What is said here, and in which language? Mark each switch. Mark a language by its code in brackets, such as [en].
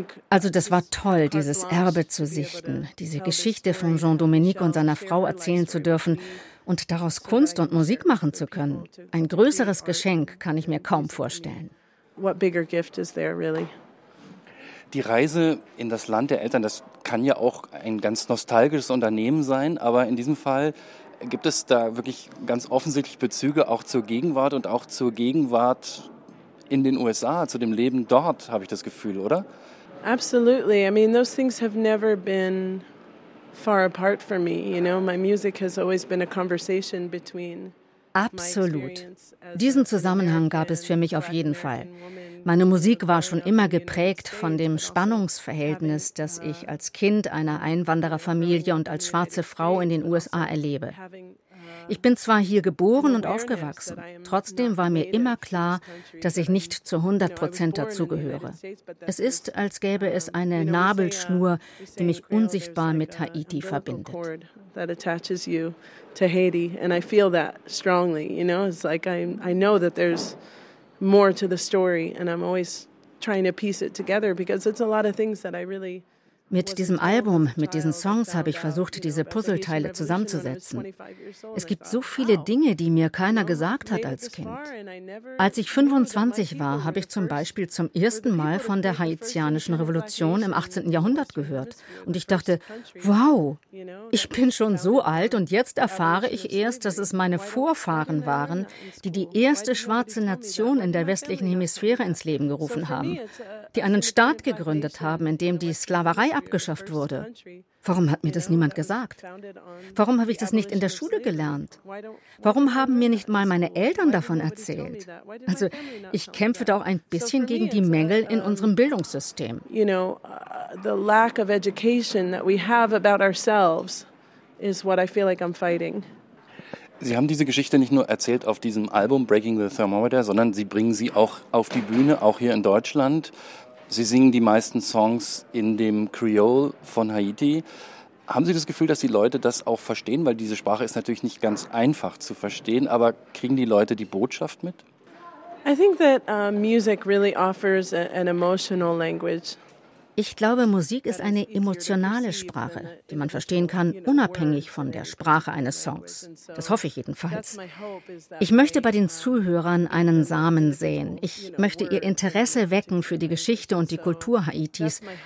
[de] Also das war toll, dieses Erbe zu sichten, diese Geschichte von Jean-Dominique und seiner Frau erzählen zu dürfen und daraus Kunst und Musik machen zu können. Ein größeres Geschenk kann ich mir kaum vorstellen. [en] What bigger gift is there really? [de] Die Reise in das Land der Eltern, das kann ja auch ein ganz nostalgisches Unternehmen sein, aber in diesem Fall gibt es da wirklich ganz offensichtlich Bezüge auch zur Gegenwart und auch zur Gegenwart in den USA, zu dem Leben dort, habe ich das Gefühl, oder? [en] Absolutely. I mean, those things have never been far apart for me. You know, my music has always been a conversation between. [de] Absolut. Diesen Zusammenhang gab es für mich auf jeden Fall. Meine Musik war schon immer geprägt von dem Spannungsverhältnis, das ich als Kind einer Einwandererfamilie und als schwarze Frau in den USA erlebe. Ich bin zwar hier geboren und aufgewachsen, trotzdem war mir immer klar, dass ich nicht zu 100% dazugehöre. Es ist, als gäbe es eine Nabelschnur, die mich unsichtbar mit Haiti verbindet. [en] That attaches you to Haiti, and I feel that strongly. You know, it's like I know that there's more to the story, and I'm always trying to piece it together because it's a lot of things that I really. [de] Mit diesem Album, mit diesen Songs habe ich versucht, diese Puzzleteile zusammenzusetzen. Es gibt so viele Dinge, die mir keiner gesagt hat als Kind. Als ich 25 war, habe ich zum Beispiel zum ersten Mal von der haitianischen Revolution im 18. Jahrhundert gehört. Und ich dachte, wow, ich bin schon so alt und jetzt erfahre ich erst, dass es meine Vorfahren waren, die die erste schwarze Nation in der westlichen Hemisphäre ins Leben gerufen haben, die einen Staat gegründet haben, in dem die Sklaverei abgeschafft wurde. Warum hat mir das niemand gesagt? Warum habe ich das nicht in der Schule gelernt? Warum haben mir nicht mal meine Eltern davon erzählt? Also, ich kämpfe da auch ein bisschen gegen die Mängel in unserem Bildungssystem. [en] You know, the lack of education that we have about ourselves is what I feel like I'm fighting. [de] Sie haben diese Geschichte nicht nur erzählt auf diesem Album Breaking the Thermometer, sondern Sie bringen sie auch auf die Bühne, auch hier in Deutschland. Sie singen die meisten Songs in dem Creole von Haiti. Haben Sie das Gefühl, dass die Leute das auch verstehen? Weil diese Sprache ist natürlich nicht ganz einfach zu verstehen. Aber kriegen die Leute die Botschaft mit? [en] I think that music really offers an emotional language. [de] Ich glaube, Musik ist eine emotionale Sprache, die man verstehen kann, unabhängig von der Sprache eines Songs. Das hoffe ich jedenfalls. Ich möchte bei den Zuhörern einen Samen säen. Ich möchte ihr Interesse wecken für die Geschichte und die Kultur Haitis.